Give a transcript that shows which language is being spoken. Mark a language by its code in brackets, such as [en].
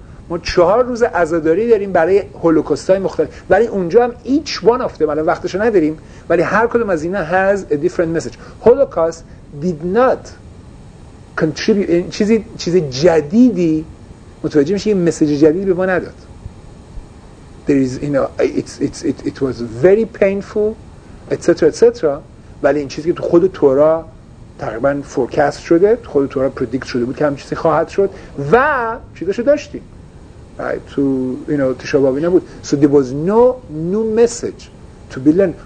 [fa] ما چهار روز عزاداری داریم برای هولوکاست های مختلف. ولی اونجا هم [en] each one of them [fa] الان وقتش نداریم. ولی هر کدوم از اینا [en] has a different message. Holocaust did not contribute. [fa] چیز جدیدی متوجه میشه یه مسیج جدیدی به ما نداد. [en] There is, you know, it was very painful, etc. etc. [fa] ولی این چیزی که تو خود تورا تقریبا فورکست شده، خود تورا پردیکت شده بود که همچیزی خواهد شد و چیزاشو داشتیم. [en] Right? To, you know, [fa] تشابابی نبود. [en] So there was no new message to be learned.